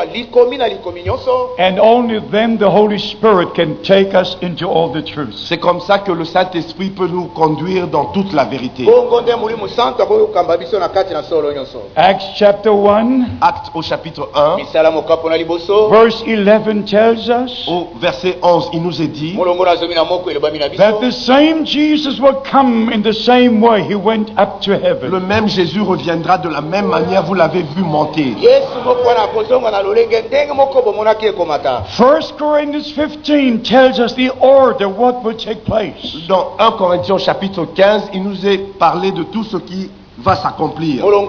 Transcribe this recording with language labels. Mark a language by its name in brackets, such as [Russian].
[English] And only then the Holy Spirit can take us into all the truth. [French] C'est comme ça que le Saint-Esprit peut nous conduire dans toute la vérité. [English] Acts chapter 1. [French] Acte au chapitre 1. [English] Verse 11 tells us. [French] Au verset 11, il nous est dit. [English] That the same Jesus will come in the same way he went up to heaven. [French] Le même Jésus reviendra de la même manière vous l'avez vu monter. [English] 1 Corinthians 15 tells us the order what will take place. [French] Dans 1 Corinthiens chapitre 15, il nous est parlé de tout ce qui va s'accomplir.